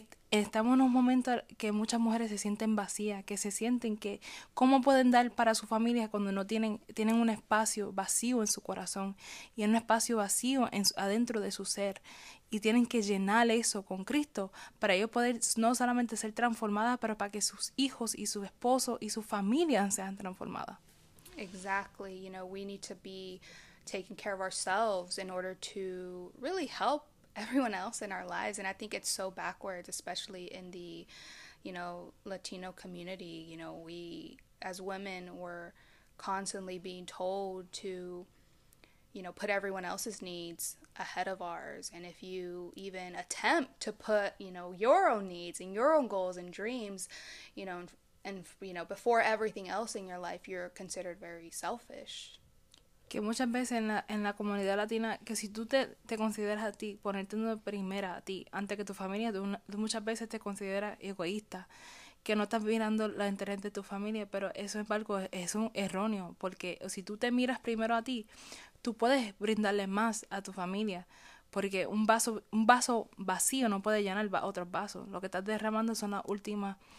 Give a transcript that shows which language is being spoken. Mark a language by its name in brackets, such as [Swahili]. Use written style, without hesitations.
[Spanish] estamos en un momento que muchas mujeres se sienten vacías, que se sienten que cómo pueden dar para su familia cuando no tienen un espacio vacío en su corazón y un espacio vacío adentro de su ser, y tienen que llenar eso con Cristo para ellos poder no solamente ser transformadas, pero para que sus hijos y su esposo y su familia sean transformadas. [English] Exactly, you know, we need to be taking care of ourselves in order to really help everyone else in our lives. And I think it's so backwards, especially in the, you know, Latino community. You know, we as women were constantly being told to, you know, put everyone else's needs ahead of ours. And if you even attempt to put, you know, your own needs and your own goals and dreams, you know, and you know, before everything else in your life, you're considered very selfish. [Spanish] Que muchas veces en la comunidad latina, que si tú te consideras a ti, ponerte en primera a ti, antes que tu familia, tú muchas veces te consideras egoísta, que no estás mirando la interés de tu familia, pero eso es algo, es un erróneo, porque si tú te miras primero a ti, tú puedes brindarle más a tu familia, porque un vaso vacío no puede llenar otros vasos, lo que estás derramando son las últimas